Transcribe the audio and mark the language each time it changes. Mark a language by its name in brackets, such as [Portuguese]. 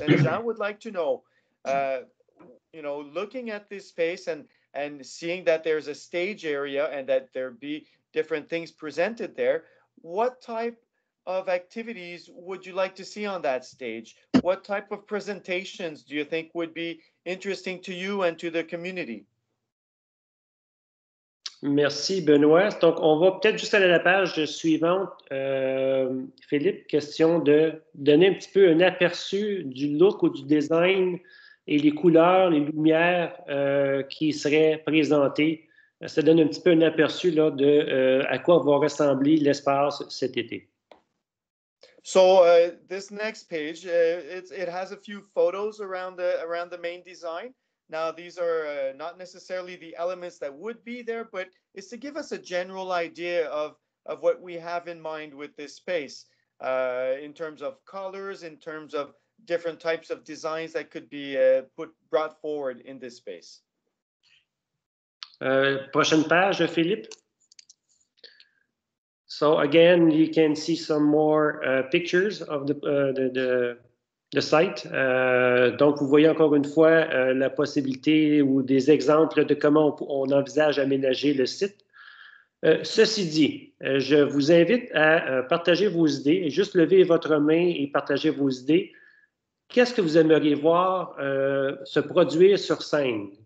[English] And John would like to know, you know, looking at this space and seeing that there's a stage area and that there be different things presented there, what type of activities would you like to see on that stage? What type of presentations do you think would be interesting to you and to the community? [French] Merci, Benoît. Donc, on va peut-être juste aller à la page suivante. Philippe, question de donner un petit peu un aperçu du look ou du design et les couleurs, les lumières qui seraient présentées. Ça donne un petit peu un aperçu là, de à quoi va ressembler l'espace cet été. [English] So this next page, it has a few photos around the main design. Now these are not necessarily the elements that would be there, but it's to give us a general idea of what we have in mind with this space in terms of colors, in terms of different types of designs that could be brought forward in this space. [French] Prochaine page, Philippe. [English] So again, you can see some more pictures of the site. [French] Donc, vous voyez encore une fois la possibilité ou des exemples de comment on envisage aménager le site. Ceci dit, je vous invite à partager vos idées. Juste lever votre main et partager vos idées. Qu'est-ce que vous aimeriez voir se produire sur scène?